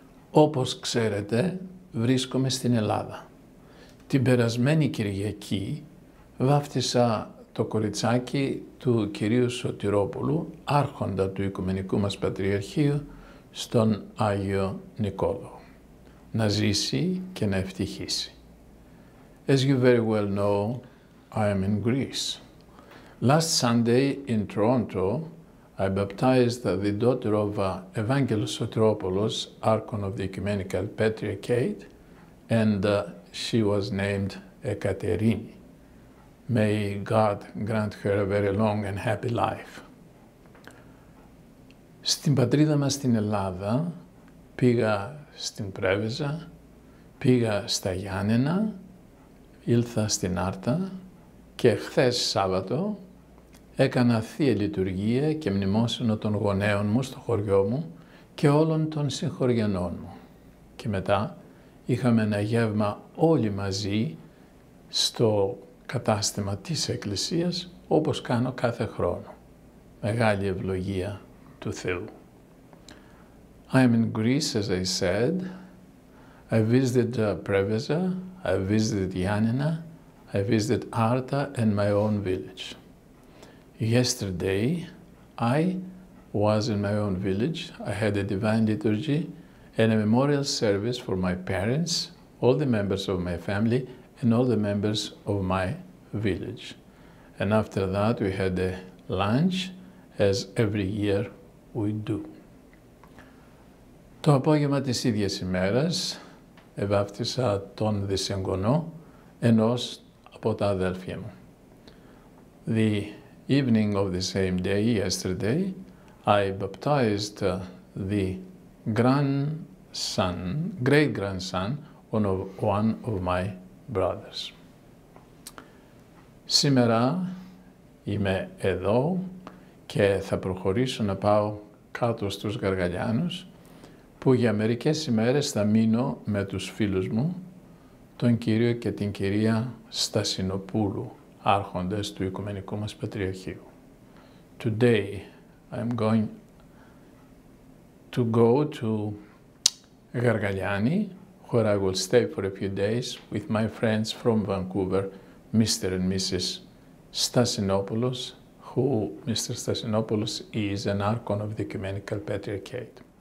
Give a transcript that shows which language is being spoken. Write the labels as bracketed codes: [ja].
[el] Όπως ξέρετε, βρίσκομαι στην Ελλάδα. Την περασμένη Κυριακή βάφτισα το κοριτσάκι του κυρίου Σωτηρόπουλου, άρχοντα του Οικουμενικού μας Πατριαρχείου, στον Άγιο Νικόλαο. Να ζήσει και να ευτυχήσει. [en] As you very well know, I am in Greece. Last Sunday in Toronto, I baptized the daughter of Evangelos Sotiropoulos, Archon of the Ecumenical Patriarchate, and she was named Ekaterini. May God grant her a very long and happy life. [el] Στην πατρίδα μας στην Ελλάδα πήγα στην Πρέβεζα, πήγα στα Γιάννενα, ήλθα στην Άρτα και χθες Σάββατο έκανα Θεία Λειτουργία και μνημόσυνο των γονέων μου στο χωριό μου και όλων των συγχωριανών μου. Και μετά είχαμε ένα γεύμα όλοι μαζί στο κατάστημα της Εκκλησίας, όπως κάνω κάθε χρόνο. Μεγάλη ευλογία του Θεού. [en] I am in Greece, as I said. I visited Preveza, I visited Yanina, I visited Arta and my own village. Yesterday, I was in my own village. I had a divine liturgy and a memorial service for my parents, all the members of my family, and all the members of my village. And after that, we had a lunch, as every year we do. [el] Το απόγευμα της ίδιας ημέρας εβάφτισα τον δισεγγονό ενός από τα αδέλφια μου. [en] The evening of the same day, yesterday, I baptized the grandson, great-grandson, one of my brothers. [el] Σήμερα είμαι εδώ και θα προχωρήσω να πάω κάτω στους Γαργαλιάνους, που για μερικές ημέρες θα μείνω με τους φίλους μου, τον κύριο και την κυρία Στασινοπούλου, άρχοντες του Οικουμενικού μας Πατριαρχείου. [en] Today I'm going to go to Γαργαλιάνη, where I will stay for a few days with my friends from Vancouver, Mr. and Mrs. Stasinopoulos, who Mr. Stasinopoulos is an archon of the Ecumenical Patriarchate.